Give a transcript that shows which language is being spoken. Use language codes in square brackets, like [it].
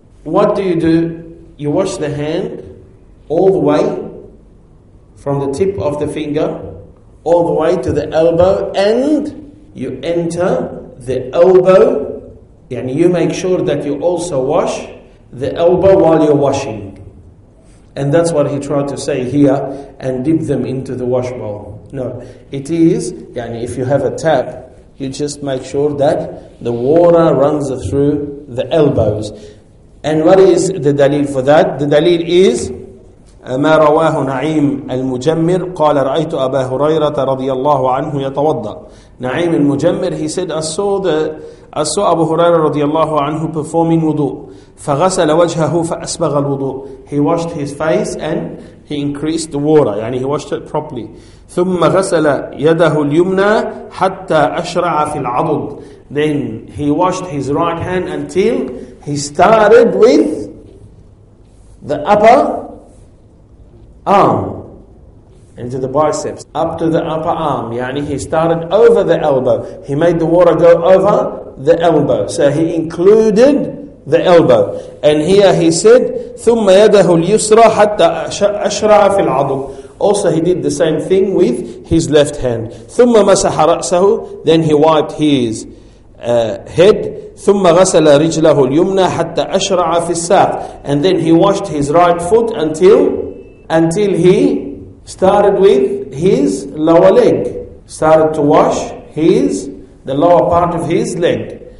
[en] What do? You wash the hand all the way from the tip of the finger all the way to the elbow, and you enter the elbow, and you make sure that you also wash the elbow while you're washing. And that's what he tried to say here, and dip them into the wash bowl. No, it is, yani if you have a tap, you just make sure that the water runs through the elbows. And what is the dalil for that? The dalil is [ar] ما رواه نعيم المجمر قال رأيت أبا هريرة رضي الله عنه يتوضأ. [en] نعيم المجمر, he said, I saw Abu Huraira رضي الله عنه performing wudu. [ar] فغسل وجهه فأسبغ الوضوء. [en] He washed his face and he increased the water. يعني he washed it properly. [ar] ثم غسل يده اليمنى حتى أشرع في العضد. [en] Then he washed his right hand until he started with the upper arm, into the biceps, up to the upper arm. Yani he started over the elbow. He made the water go over the elbow. So he included the elbow. And here he said, [ar] ثُمَّ يَدَهُ الْيُسْرَى حَتَّى أَشْرَعَ فِي الْعَضُمْ. [en] Also he did the same thing with his left hand. [ar] ثُمَّ مَسَحَ رَأْسَهُ. [en] Then he wiped his head. [ar] ثُمَّ غَسَلَ رِجْلَهُ الْيُمْنَى حَتَّى أَشْرَعَ فِي السَّاقِ. [en] And then he washed his right foot until he started with his lower leg. Started to wash the lower part of his leg.